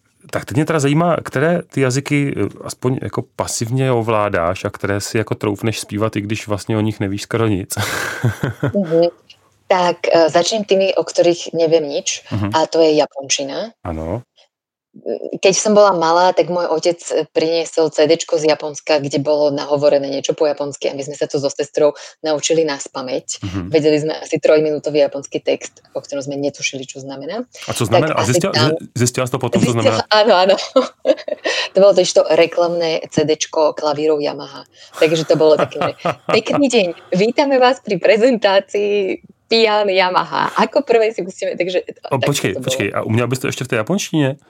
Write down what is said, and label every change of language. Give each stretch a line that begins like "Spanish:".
Czech: Tak teď mě teda zajímá, které ty jazyky aspoň jako pasivně ovládáš a které si jako troufneš zpívat, i když vlastně o nich nevíš skoro nic.
Slovak: Tak začnem tými, o ktorých neviem nič, uh-huh. a to je japončina. Áno. Keď som bola malá, tak môj otec priniesol CDčko z Japonska, kde bolo nahovorené niečo po japonsky a my sme sa to so sestrou naučili na spameť. Uh-huh. Vedeli sme asi trojminútový japonský text, o ktorom sme netušili, čo znamená. A čo znamená? Tak a zistila si to potom, čo znamená? Áno, áno. To bolo totiž to reklamné CDčko klavírov Yamaha. Takže to bolo také, že pekný deň, vítame vás pri prezentácii Pian Yamaha. Ako prvé si pustíme, takže...
Czech: Počkej, a uměl bys to
Slovak: ešte v tej japonštine?